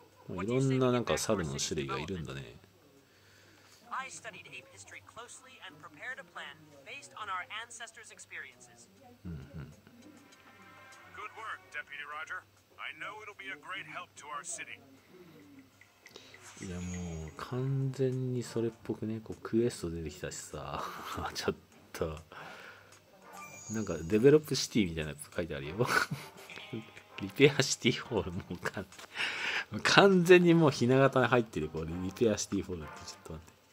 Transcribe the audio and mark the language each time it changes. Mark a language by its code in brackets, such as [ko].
[ja] いろんななんか猿の種類がいるんだね。 [en] I studied ape history closely and prepared a plan based on our ancestors' experiences. Good work, Deputy Roger. I know it'll be a great help to our city. [ja] いやもう完全にそれっぽくね。こうクエスト出てきたしさ、ちょっとなんかデベロップシティみたいなやつ書いてあるよ。リペアシティホールもうか、完全にもうひな形に入ってるこれ。リペアシティホールってちょっと待って。